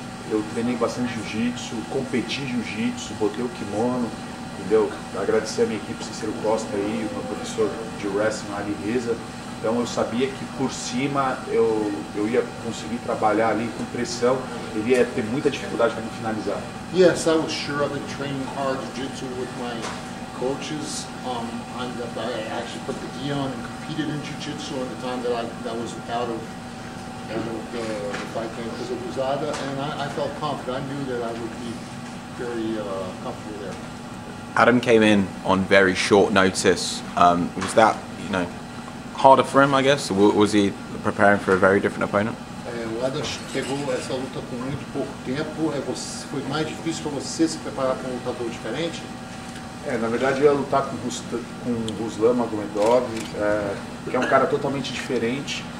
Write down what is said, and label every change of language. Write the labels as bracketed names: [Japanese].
[Portuguese] Eu treinei bastante jiu-jitsu, competi jiu-jitsu, botei o kimono, entendeu? Agradecer a minha equipe, Cicero Costa aí, o meu professor de wrestling, Ali Reza. Então eu sabia que por cima eu ia conseguir trabalhar ali com pressão, ele ia ter muita dificuldade para me finalizar. [English] Yes, I was sure I've been training hard jiu-jitsu with my coaches. I actually put the gi on and competed in jiu-jitsu at the time that I was out of the fight camp because of Usada, and I felt confident. I knew that I would be very comfortable there. Adam came in on very short notice. Was that, harder for him, I guess? Was he preparing for a very different opponent? [Portuguese] Chegou essa luta com muito pouco tempo. Foi mais difícil para você se preparar para um lutador diferente? Na verdade, eu ia lutar com Ruslan Magomedov, que é um cara totalmente diferente.